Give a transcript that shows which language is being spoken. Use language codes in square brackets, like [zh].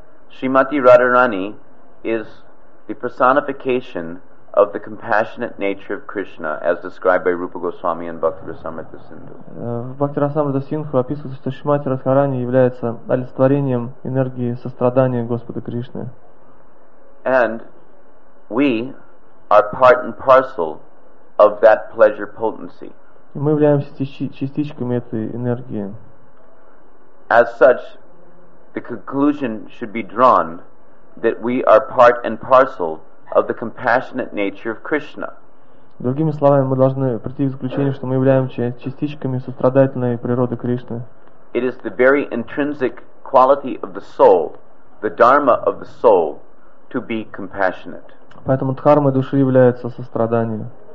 [en] Шримати Радарани is the personification of the compassionate nature of Krishna as described by Rupa Goswami and Bhaktivinoda Sindhu. [ru] Bhaktivinoda Sindhu описывает, что Шримати Радхарани является олицетворением энергии сострадания Господа Кришны. [en] And we are part and parcel of that pleasure potency. [ru] Мы являемся частичками этой энергии. [en] As such, the conclusion should be drawn that we are part and parcel of the compassionate nature of Krishna. [ru] Другими словами, мы должны прийти к заключению, что мы являемся частичками сострадательной природы Кришны. [en] It is the very intrinsic quality of the soul, the dharma of the soul, to be compassionate. [ru] Поэтому дхармой души является сострадание.